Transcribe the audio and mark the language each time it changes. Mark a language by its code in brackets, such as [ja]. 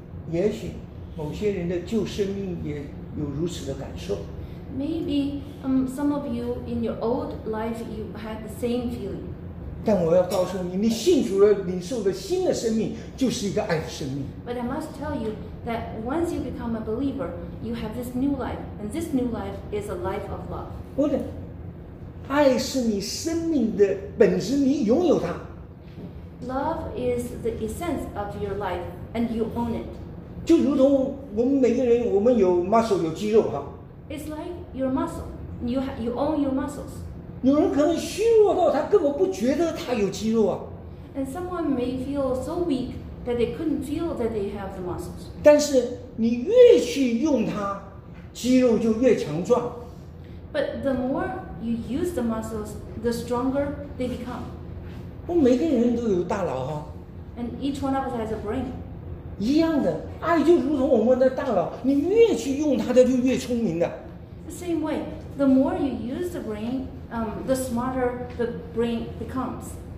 [zh] 也许某些人的旧生命也有如此的感受。 [en] Maybe some of you in your old life you had the same feeling. [zh] 但我要告诉你，你信主了，领受了新的生命，就是一个爱的生命。 [en] But I must tell you that once you become a believer, you have this new life, and this new life is a life of love. [zh] 不对，爱是你生命的本质，你拥有它。 [en] Love is the essence of your life, and you own it. [zh] 就如同我们每个人，我们有 muscle， 有肌肉哈。 [en] It's like your muscle. You own your muscles. [zh] 有人可能虚弱到他根本不觉得他有肌肉啊。 [en] And someone may feel so weak that they couldn't feel that they have the muscles. [zh] 但是你越去用它，肌肉就越强壮。 [en] But the more you use the muscles, the stronger they become. [zh] 不，每个人都有大脑哈。 [en] And each one of us has a brain. [zh] 一样的，爱就如同我们的大脑，你越去用它，它就越聪明的。 [en] The same way, the more you use the brain. The smarter the brain becomes.